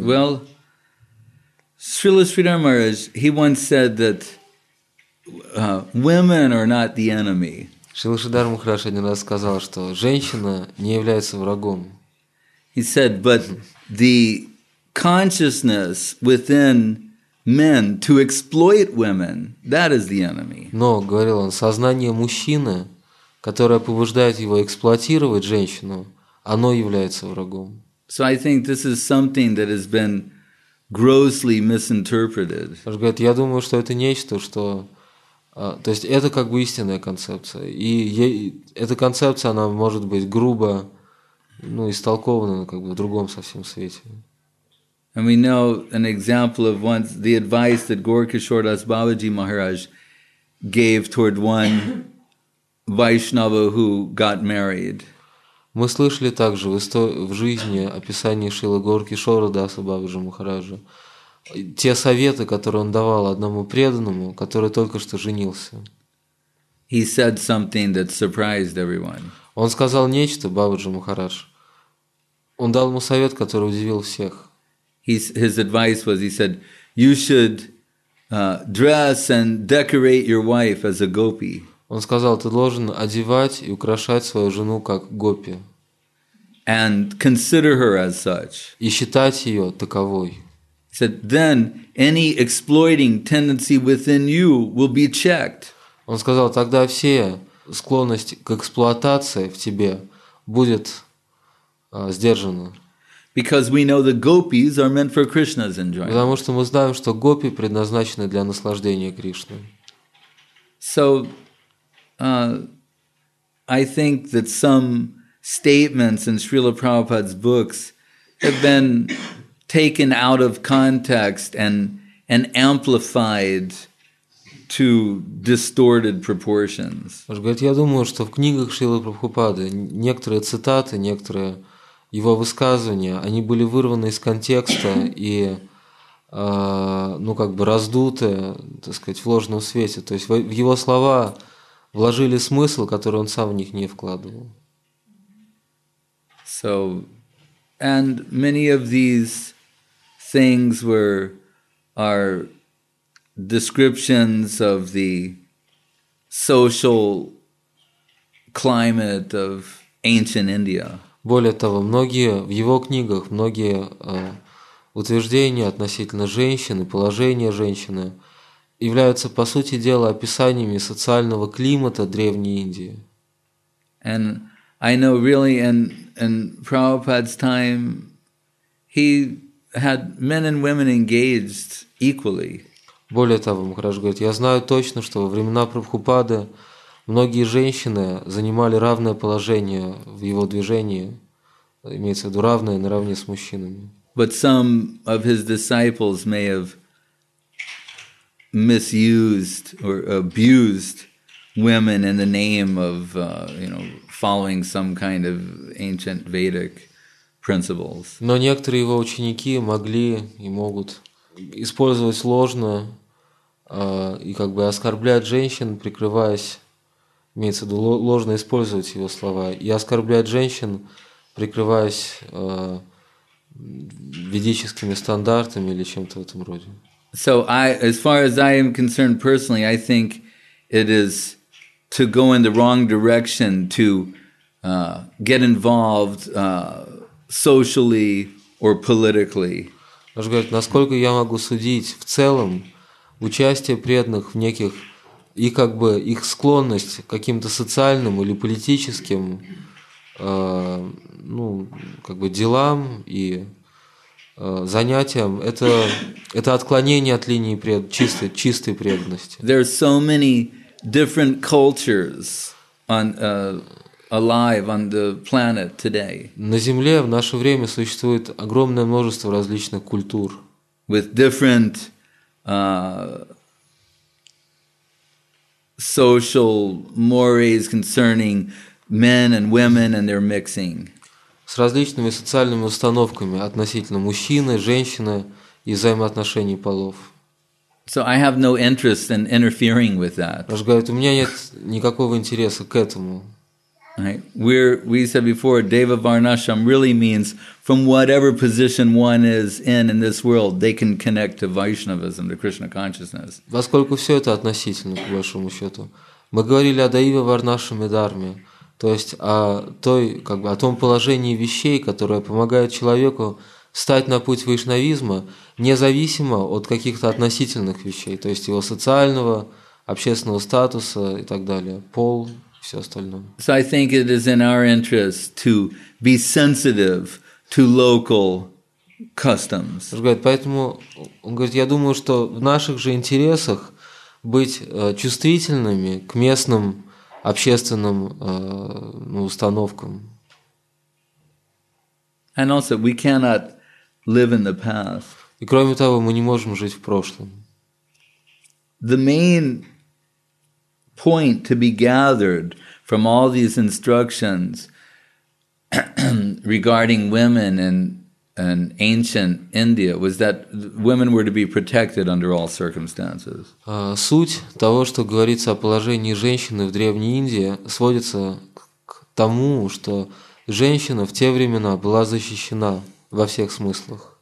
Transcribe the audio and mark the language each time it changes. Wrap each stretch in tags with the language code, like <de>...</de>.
<en>Yeah, well, Srila Sridhar Maharaj, he once said that women are not the enemy.</en> <ru>Srila Sridhar Maharaj один раз сказал, что женщина не является врагом.</ru> <en>He said, but the consciousness within men to exploit women, that is the enemy.</en> <ru>Но, говорил он, сознание мужчины, которое побуждает его эксплуатировать женщину, оно является врагом.</ru> <en>So I think this is something that has been grossly misinterpreted.</en> <ru>Он говорит, я думаю, что это нечто, что, то есть это как бы истинная концепция, и эта концепция она может быть грубо, истолкована как бы в другом совсем свете.</ru> <en>And we know an example of once the advice that Gaurakishore Das Babaji Maharaj gave toward one Vaishnava who got married.</en> <ru>Мы слышали также в жизни описание Шрилы Гаурикишоры Даса Бабаджи Махараджа те советы, которые он давал одному преданному, который только что женился.</ru> <en>He said something that surprised everyone.</en> <ru>Он сказал нечто, Бабаджи Махарадж. Он дал ему совет, который удивил всех.</ru> <en>His advice was, he said, you should dress and decorate your wife as a gopi.</en> <ru>Он сказал, ты должен одевать и украшать свою жену как гопи.</ru> <en>And consider her as such.</en> <ru>И считать ее таковой.</ru> <en>He said, then any exploiting tendency within you will be checked.</en> <ru>Он сказал, тогда все склонности к эксплуатации в тебе будет сдержана.</ru> <en>Because we know the gopis are meant for Krishna's enjoyment.</en> <ru>Потому что мы знаем, что гопи предназначены для наслаждения Кришны.</ru> <en>So, I think that some statements in Srila Prabhupada's books have been taken out of context and amplified to distorted proportions.</en> <ru>Я думаю, что в книгах Шрилы Прабхупады некоторые цитаты, некоторые его высказывания, они были вырваны из контекста и раздуты, так сказать, в ложном свете. То есть в его слова вложили смысл, который он сам в них не вкладывал.</ru> <en>So, and many of these things are descriptions of the social climate of ancient India.</en> <ru>Более того, многие в его книгах, многие утверждения относительно женщины, положения женщины являются, по сути дела, описаниями социального климата Древней Индии.</ru> <en>And I know really in Prabhupada's time he had men and women engaged equally.</en> <ru>Более того, Махарадж говорит, я знаю точно, что во времена Прабхупады многие женщины занимали равное положение в его движении, имеется в виду равное наравне с мужчинами.</ru> <en>But some of his disciples may have misused or abused women in the name of, you know, following some kind of ancient Vedic principles.</en> <ru>Но некоторые его ученики могли и могут использовать ложно и как бы оскорблять женщин, прикрываясь, имеется в виду ложно использовать его слова, и оскорблять женщин, прикрываясь ведическими стандартами или чем-то в этом роде.</ru> <en>So I, as far as I am concerned personally, I think it is to go in the wrong direction to get involved socially or politically.</en> <ru>Насколько я могу судить, в целом участие преданных в неких и как бы их склонность к каким-то социальным или политическим ну, как бы делам и занятиям, это отклонение от линии чистой преданности.</ru> <en>There are so many different cultures on alive on the planet today.</en> <ru>На Земле в наше время существует огромное множество различных культур.</ru> <en>With different social mores concerning men and women and their mixing.</en> <ru>С различными социальными установками относительно мужчины, женщины и взаимоотношений полов.</ru> <en>So I have no interest in interfering with that.</en> <ru>Он говорит, у меня нет никакого интереса к этому.</ru> <en>Right. We said before, Deva Varnasham really means from whatever position one is in this world, they can connect to Vaishnavism, to Krishna consciousness.</en> <ru>Поскольку все это относительно, по большому счету. Мы говорили о Deva Varnasham и Дарме. То есть о той, как бы, о том положении вещей, которое помогает человеку встать на путь вайшнавизма, независимо от каких-то относительных вещей, то есть его социального, общественного статуса и так далее, пол, все остальное.</ru> <en>So I think it is in our interest to be sensitive to local customs.</en> <ru>Поэтому он говорит, я думаю, что в наших же интересах быть чувствительными к местным общественным установкам.</ru> <en>And also, we cannot live in the past.</en> <ru>И кроме того, мы не можем жить в прошлом.</ru> <en>The main point to be gathered from all these instructions regarding women in ancient India was that women were to be protected under all circumstances.</en> <ru>Суть того, что говорится о положении женщины в Древней Индии, сводится к тому, что женщина в те времена была защищена во всех смыслах.</ru>